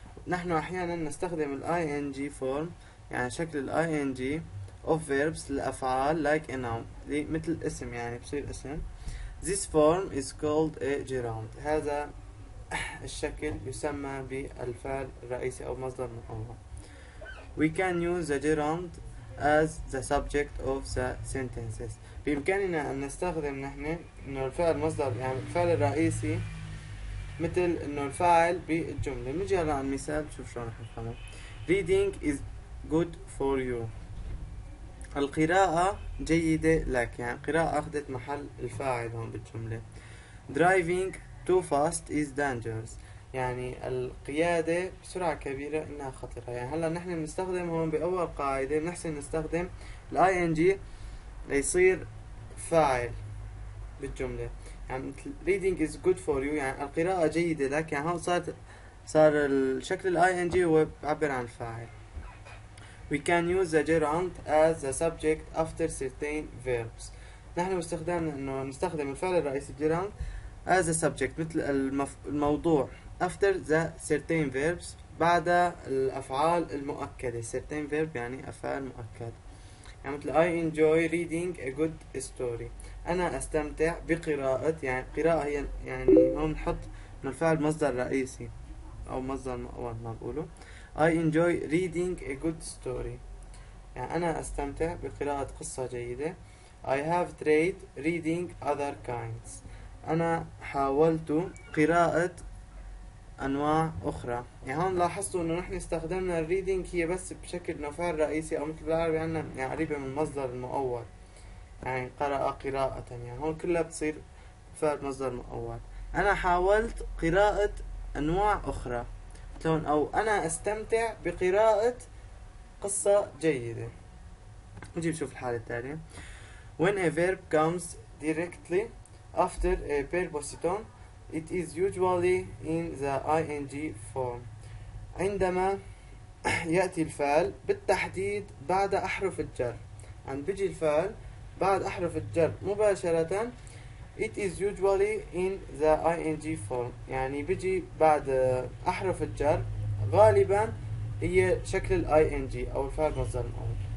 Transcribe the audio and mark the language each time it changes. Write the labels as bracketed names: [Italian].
[Arabic] نحن أحيانا نستخدم ال ing form يعني شكل ال ing [English] of verbs [Arabic] لأفعال [English] like a noun [Arabic] مثل اسم يعني بصير اسم. [English] This form is called a gerund. [Arabic] هذا الشكل يسمى بالفعل الرئيسي أو مصدر مؤول. [English] We can use the gerund as the subject of the sentences. [Arabic] بإمكاننا أن نستخدم نحن إنه الفعل مصدر يعني الفعل الرئيسي مثل إنه الفاعل بالجملة. نجي هلا على المثال شوف شلون رح نفهمه. [English] Reading is good for you. [Arabic] القراءة جيدة لك، يعني قراءة أخذت محل الفاعل هون بالجملة. [English] Driving too fast is dangerous، [Arabic] يعني القيادة بسرعة كبيرة إنها خطرة. يعني هلا نحن بنستخدم هون بأول قاعدة بنحسن نستخدم الـ ing ليصير فاعل بالجملة. يعني [English] reading is good for you [Arabic] يعني القراءة جيدة لك، يعني هون صار الشكل الـ ing هو بعبر عن الفاعل. [English] We can use the gerund as the subject after certain verbs. [Arabic] نحن باستخدام إنه نستخدم الفعل الرئيسي [English] gerund as a subject [Arabic] مثل الموضوع [English] after the certain verbs [Arabic] بعد الأفعال المؤكدة. certain verb يعني أفعال مؤكدة، يعني مثل [English] I enjoy reading a good story. [Arabic] أنا أستمتع بقراءة، يعني قراءة هي يعني هون نحط من الفعل مصدر رئيسي أو مصدر مؤول ما بقوله. [English] I enjoy reading a good story. [Arabic] يعني أنا أستمتع بقراءة قصة جيدة. [English] I have tried reading other kinds. [Arabic] أنا حاولت قراءة أنواع أخرى. يعني هون لاحظتوا إنه نحن استخدمنا reading هي بس بشكل فعل رئيسي أو مثل بالعربي عنا يعني قريبة من مصدر المؤول. يعني قرأ قراءة، يعني هون كلها بتصير فعل مصدر مؤول. أنا حاولت قراءة أنواع أخرى. لون أو أنا أستمتع بقراءة قصة جيدة. نجي نشوف الحالة التالية. [English] When a verb comes directly after a preposition, it is usually in the ing form. [Arabic] عندما يأتي الفعل بالتحديد بعد أحرف الجر، عند بيجي الفعل بعد أحرف الجر مباشرة، [English] it is usually in the ing form. [Arabic] يعني بيجي بعد أحرف الجر غالبا هي شكل ال ing أو الفعل مصدر مؤول.